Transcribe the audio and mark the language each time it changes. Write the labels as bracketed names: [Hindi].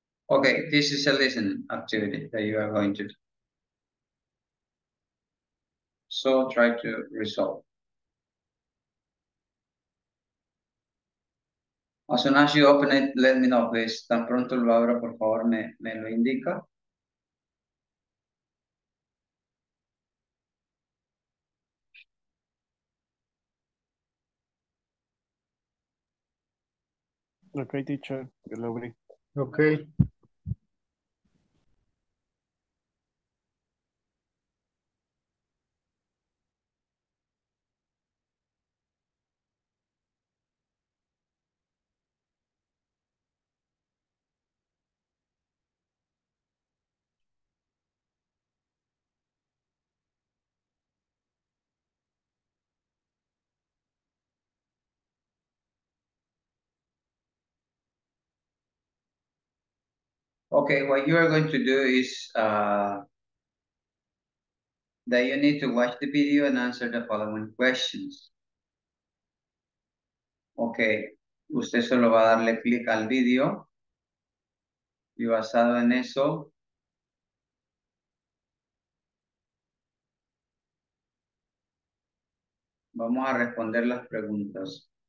[English] Okay, this is a listening activity that you are going to do. So try to resolve. As soon as you open it, let me know, please. [Spanish] Tan pronto lo abra, por favor, me lo indica. [English] Okay, teacher. [Spanish] Yo lo abrí. Okay. [English] Okay, what you are going to do is that you need to watch the video and answer the following questions. [Spanish] Okay, usted solo va a darle click al video y basado en eso, vamos a responder las preguntas.